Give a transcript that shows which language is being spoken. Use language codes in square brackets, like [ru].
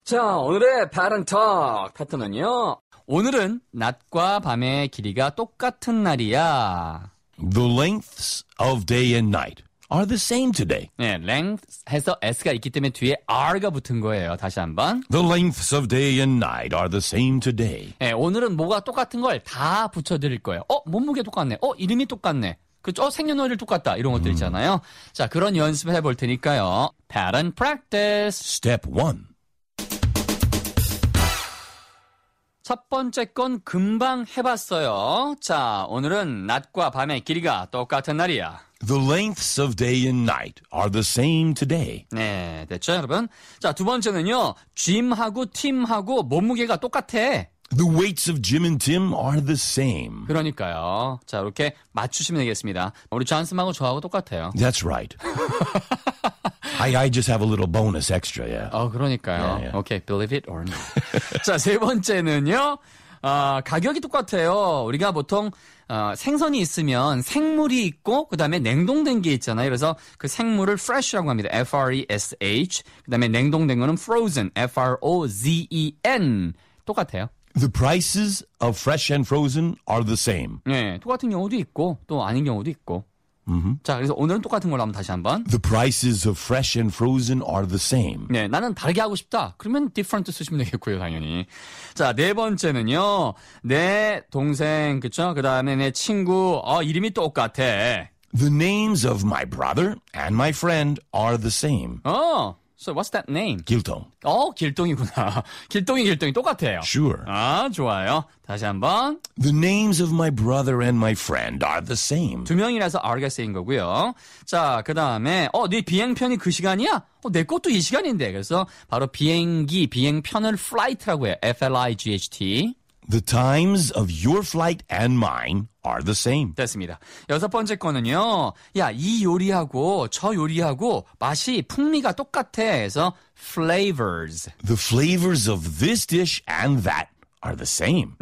[ko] 자, 오늘의 바른톡 패턴은요. 오늘은 낮과 밤의 길이가 똑같은 날이야. [en] The lengths of day and night are the same today. [ko] 네, lengths 해서 S가 있기 때문에 뒤에 R가 붙은 거예요. 다시 한번. [en] The lengths of day and night are the same today. [ko] 네, 오늘은 뭐가 똑같은 걸 다 붙여드릴 거예요. 몸무게 똑같네. 이름이 똑같네. 그렇죠? 생년월일 똑같다. 이런 것들 있잖아요. 자, 그런 연습을 해볼 테니까요. [en] Pattern practice. Step 1. [ko] 첫 번째 건 금방 해봤어요. 자, 오늘은 낮과 밤의 길이가 똑같은 날이야. [en] The lengths of day and night are the same today. [ko] 네, 됐죠, 여러분? 자, 두 번째는요. 짐하고 팀하고 몸무게가 똑같아. [en] The weights of Jim and Tim are the same. [ko] 그러니까요. 자, 이렇게 맞추시면 되겠습니다. 우리 존슨하고 저하고 똑같아요. [en] That's right. I just have a little bonus extra, yeah. [ko] 그러니까요. [en] Yeah, yeah. Okay, believe it or not. [ko] 자, 세 번째는요. 가격이 똑같아요. 우리가 보통 생선이 있으면 생물이 있고 그다음에 냉동된 게 있잖아요. 그래서 그 생물을 fresh라고 합니다. [en] F-R-E-S-H. [ko] 그다음에 냉동된 거는 frozen. [en] F-R-O-Z-E-N. [ko] 똑같아요. [en] The prices of fresh and frozen are the same. [ko] 네, 똑같은 경우도 있고 또 아닌 경우도 있고. Mm-hmm. 자, 그래서 오늘은 똑같은 걸로 한번 다시 한번. [en] The prices of fresh and frozen are the same. [ko] 네, 나는 다르게 하고 싶다. 그러면 different 쓰시면 되겠고요, 당연히. 자, 네 번째는요. 내 동생, 그렇죠? 그다음에 내 친구, 이름이 똑같아. [en] The names of my brother and my friend are the same. So what's that name? [ko] 길동. 길동이구나. 길동이 똑같아요. [en] Sure. [ko] 좋아요. 다시 한번. [en] The names of my brother and my friend are the same. [ko] 두 명이라서 are가 쓰인 거고요. 자, 그 다음에 네 비행편이 그 시간이야? 내 것도 이 시간인데. 그래서 바로 비행기, 비행편을 flight라고 해요. [en] F-L-I-G-H-T. The times of your flight and mine are the same. [ko] 됐습니다. 여섯 번째 거는요. 야, 이 요리하고 저 요리하고 맛이 풍미가 똑같아. 그래서 flavors. [en] The flavors of this dish and that are the same.